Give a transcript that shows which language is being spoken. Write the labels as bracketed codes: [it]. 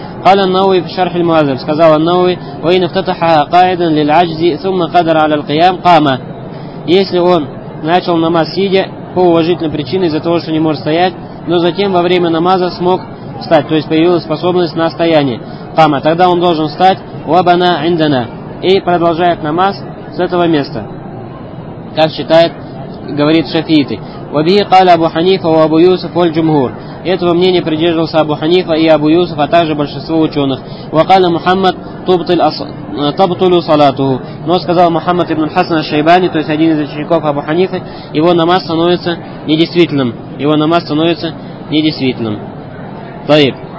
[ar] قال النووي في شرح المعذر [ru] сказал [ar] النووي وإن افتتح قاعدا للعجز ثم قدر على القيام قام. [ru] Если он начал намаз сидя по уважительной причине из-за того, что не может стоять, но затем во время намаза смог встать, то есть появилась способность на стояние, قام, тогда он должен встать [ar] وبنى عندنا [ru] и продолжает намаз с этого места, как считает, говорит шафииты. [ar] وبه قال أبو حنيفة وأبو يوسف والجمهور. [ru] Этого мнения придерживался Абу Ханифа и Абу Юсуф, а также большинство ученых. [ar] وقال محمد تبطل صلاته. [ru] Но сказал Мухаммад ибн Хасан аш-Шайбани, то есть один из учеников Абу Ханифы, его намаз становится недействительным. Его намаз становится недействительным. Таиб.